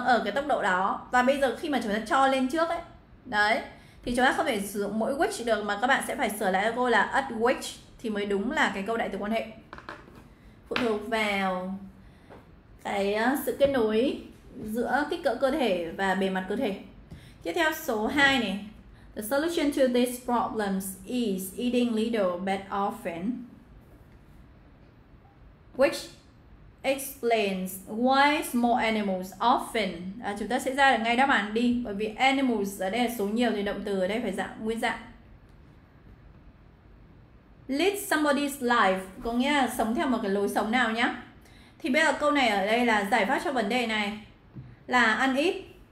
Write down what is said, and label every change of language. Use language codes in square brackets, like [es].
[vi] Ở cái tốc độ đó. Và bây giờ khi mà chúng ta cho lên trước ấy, đấy, thì chúng ta không thể sử dụng mỗi which được, mà các bạn sẽ phải sửa lại cho cô là at which thì mới đúng là cái câu đại từ quan hệ. Phụ thuộc vào cái sự kết nối giữa kích cỡ cơ thể và bề mặt cơ thể. Tiếp theo số 2 này. [en] The solution to these problems is eating little but often, which explains why small animals often. [vi] À, chúng ta sẽ ra được ngay đáp án đi, bởi vì animals ở đây là số nhiều thì động từ ở đây phải dạng nguyên dạng. Lead somebody's life có nghĩa là sống theo một cái lối sống nào nhá. Thì bây giờ câu này ở đây là giải pháp cho vấn đề này là ăn ít.